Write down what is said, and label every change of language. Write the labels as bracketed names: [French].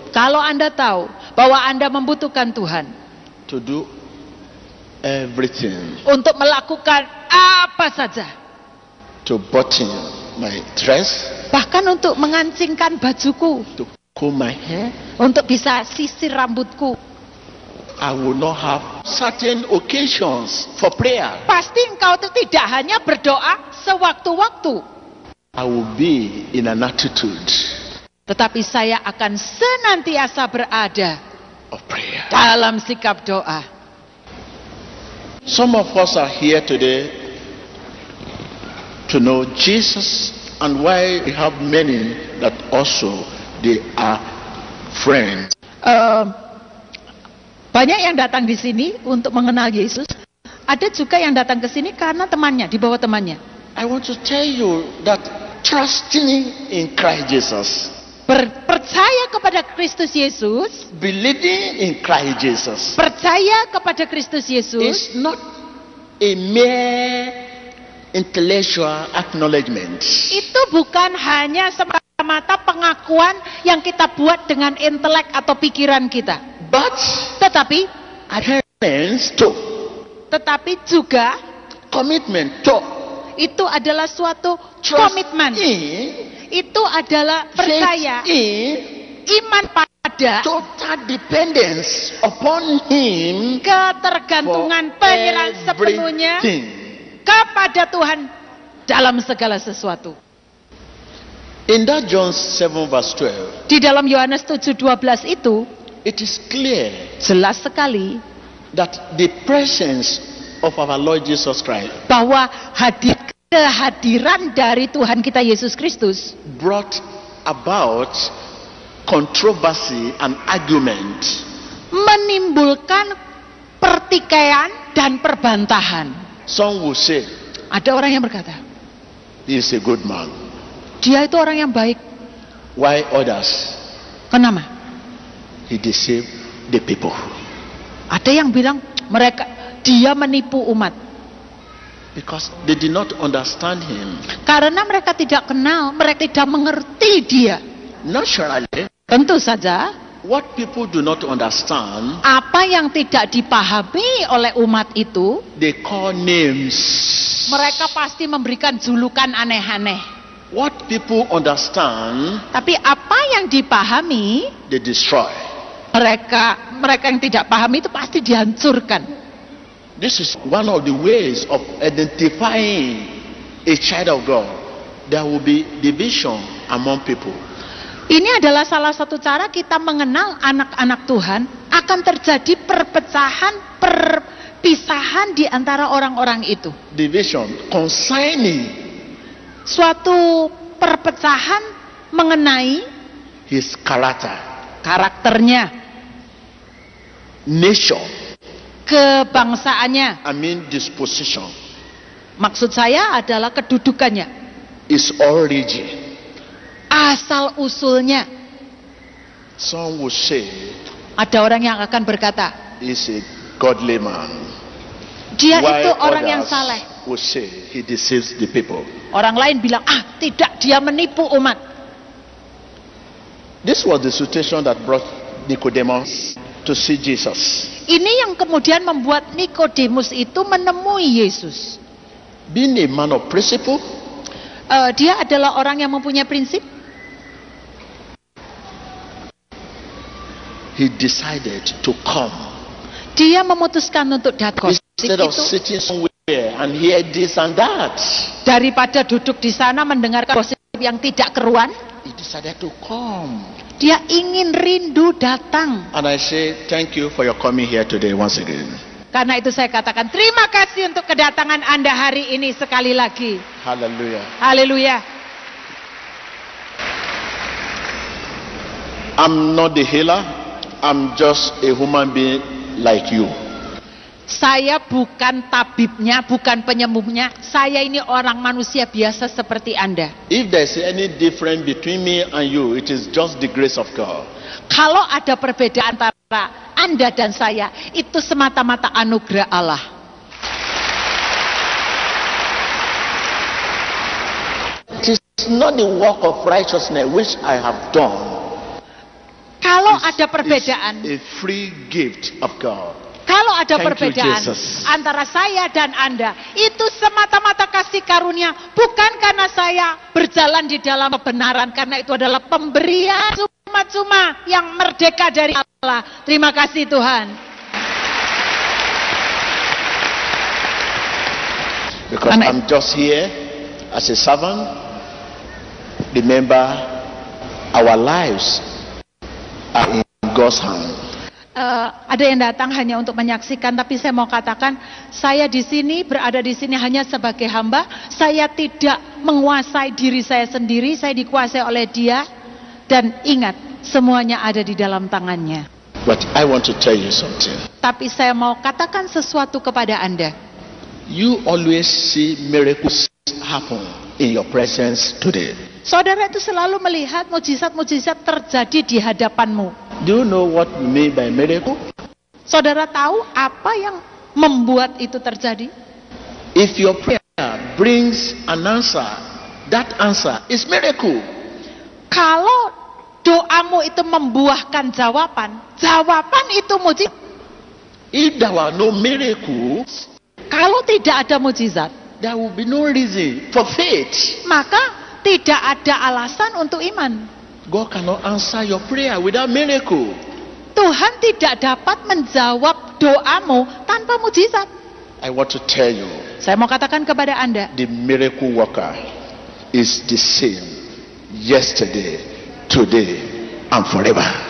[Indonesian] Kalau Anda tahu bahwa Anda membutuhkan Tuhan [English] to do everything [Indonesian] untuk melakukan apa saja, [English] to button my dress, [Indonesian] bahkan untuk mengancingkan bajuku, [English] to comb my hair, [Indonesian] untuk bisa sisir rambutku, [English] I will not have certain occasions for prayer. [Indonesian] Pasti engkau itu tidak hanya berdoa sewaktu-waktu. [English] I will be in an attitude. [Indonesian] Tetapi saya akan senantiasa berada dalam sikap doa. [English] Some of us are here today to know Jesus and why we have many that also they are friends. [Indonesian] Banyak yang datang di sini untuk mengenal Yesus. Ada juga yang datang ke sini karena temannya, di bawah temannya. [English] I want to tell you that trusting in Christ Jesus. [Indonesian] Percaya kepada Kristus Yesus. [English] Believing in Christ Jesus. [Indonesian] Percaya kepada Kristus Yesus. [English] Is not a mere intellectual acknowledgement. [Indonesian] Itu bukan hanya semata-mata pengakuan yang kita buat dengan intelek atau pikiran kita. [English] But. [Indonesian] Tetapi. [English] Adherence to. [Indonesian] Tetapi juga. [English] Commitment to. [Indonesian] Itu adalah suatu [English] trust [Indonesian] komitmen. Itu adalah percaya, iman pada [English] total dependence upon him, [Indonesian] ketergantungan penyerahan sepenuhnya kepada Tuhan dalam segala sesuatu. [English] In that John 7 verse 12. [Indonesian] Di dalam Yohanes 7:12 itu, [English] it is clear, [Indonesian] jelas sekali, [English] that the presence of our Lord Jesus Christ, [Indonesian] bahwa hadir kehadiran dari Tuhan kita Yesus Kristus [English] brought about controversy and argument, [Indonesian] menimbulkan pertikaian dan perbantahan. [English] Some will say, [Indonesian] ada orang yang berkata, [English] he is a good man. [Indonesian] Dia itu orang yang baik. [English] Why others? [Indonesian] Kenapa? [English] He deceive the people. [Indonesian] Ada yang bilang mereka, dia menipu umat. [English] Because they did not understand him. [Indonesian] Karena mereka tidak kenal, mereka tidak mengerti dia. [English] Naturally. [Indonesian] Tentu saja. [English] What people do not understand. [Indonesian] Apa yang tidak dipahami oleh umat itu. [English] They call names. [Indonesian] Mereka pasti memberikan julukan aneh-aneh. [English] What people understand. [Indonesian] Tapi apa yang dipahami. [English] They destroy. [Indonesian] Mereka yang tidak paham itu pasti dihancurkan. [English] This is one of the ways of identifying a child of God. There will be division among people. [Indonesian] Ini adalah salah satu cara kita mengenal anak-anak Tuhan. Akan terjadi perpecahan, perpisahan di antara orang-orang itu. [English] Division, concerning. [Indonesian] Suatu perpecahan mengenai [English] his character. [Indonesian] Karakternya. [English] Nation. [Indonesian] Kebangsaannya. [English] I mean disposition. [Indonesian] Maksud saya adalah kedudukannya. [English] Its origin. [Indonesian] Asal usulnya. [English] Some will say. [Indonesian] Ada orang yang akan berkata. [English] Is a godly man. [Indonesian] Dia why itu orang yang saleh. [English] Will say he deceives the people. [Indonesian] Orang lain bilang tidak, dia menipu umat. [English] This was the situation that brought Nicodemus to see Jesus. [Indonesian] Ini yang kemudian membuat Nikodemus itu menemui Yesus. [English] Being a man of principle. [Indonesian] Dia adalah orang yang mempunyai prinsip. [English] He decided to come. [Indonesian] Dia memutuskan untuk datang. [English] Instead of sitting somewhere and hear this and that. [Indonesian] Daripada duduk di sana mendengarkan gosip yang tidak keruan. [English] He decided to come. [Indonesian] Dia ingin rindu datang. [English] And I say thank you for your coming here today once again. [Indonesian] Karena itu saya katakan terima kasih untuk kedatangan Anda hari ini sekali lagi. Hallelujah. Hallelujah. [English] I'm not the healer. I'm just a human being like you. [Indonesian] Saya bukan tabibnya, bukan penyembuhnya. Saya ini orang manusia biasa seperti Anda. [English] If there's any difference between me and you, it is just the grace of God. [Indonesian] Kalau ada perbedaan antara Anda dan saya, itu semata-mata anugerah Allah. [English] It is not the work of righteousness which I have done. [Indonesian] Kalau ada perbedaan, [English] it's a free gift of God. [Indonesian] Kalau ada perbedaan antara saya dan Anda, itu semata-mata kasih karunia, bukan karena saya berjalan di dalam kebenaran, karena itu adalah pemberian cuma-cuma yang merdeka dari Allah. Terima kasih Tuhan. [English] Because I'm just here as a servant, remember our lives are in God's hand. [Indonesian] Ada yang datang hanya untuk menyaksikan, tapi saya mau katakan, saya di sini berada di sini hanya sebagai hamba. Saya tidak menguasai diri saya sendiri, saya dikuasai oleh Dia. Dan ingat, semuanya ada di dalam tangannya. [English] But I want to tell you something. [Indonesian] Tapi saya mau katakan sesuatu kepada Anda. [English] You always see miracles happen in your presence today. [Indonesian] Saudara itu selalu melihat mujizat-mujizat terjadi di hadapanmu. [English] Do you know what you mean by miracle? [Indonesian] Saudara tahu apa yang membuat itu terjadi? [English] If your prayer brings an answer, that answer is miracle. [Indonesian] Kalau doamu itu membuahkan jawaban, jawaban itu mujizat. [English] If there were no miracle, [Indonesian] kalau tidak ada mujizat, [English] there would be no reason for faith. [Indonesian] Maka tidak ada alasan untuk iman. [English] God cannot answer your prayer without miracle. [Indonesian] Tuhan tidak dapat menjawab doamu tanpa mujizat. [English] I want to tell you. [Indonesian] Saya mau katakan kepada Anda. [English] The miracle worker is the same yesterday, today, and forever.